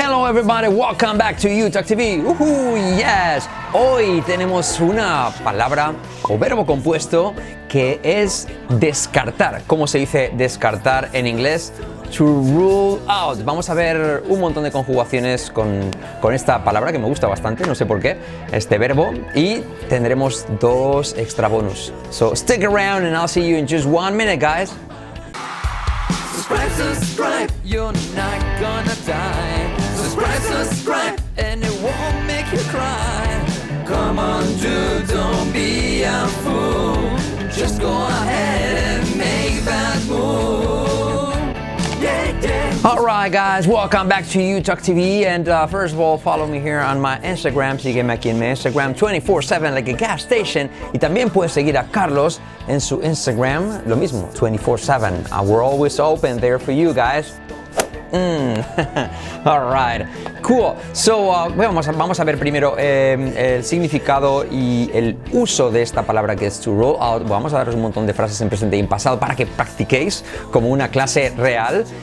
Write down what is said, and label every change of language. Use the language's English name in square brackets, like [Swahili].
[English] everybody, welcome back to UTalk TV. Yes. [Spanish] Hoy tenemos una palabra o verbo compuesto que es descartar. ¿Cómo se dice descartar en inglés? [English] To rule out. [Spanish] Vamos a ver un montón de conjugaciones con esta palabra que me gusta bastante, no sé por qué, este verbo, y tendremos dos extra bonus. [English] So stick around and I'll see you in just 1 minute, guys. Subscribe, you're not gonna die. Subscribe, and it won't make you cry. Come on, dude, don't be a fool. Just go ahead and make that move. Yeah, yeah. All right, guys, welcome back to UTalk TV. And first of all, follow me here on my Instagram. [Spanish] Sígueme aquí en mi Instagram [English] 24/7, like a gas station. [Spanish] Y también puedes seguir a Carlos en su Instagram, lo mismo, 24/7. [English] We're always open there for you guys. All right, cool. [Spanish] So, vamos a ver primero el significado y el uso de esta palabra que es [English] to roll out. [Spanish] Vamos a daros un montón de frases en presente y en pasado para que practiquéis como una clase real.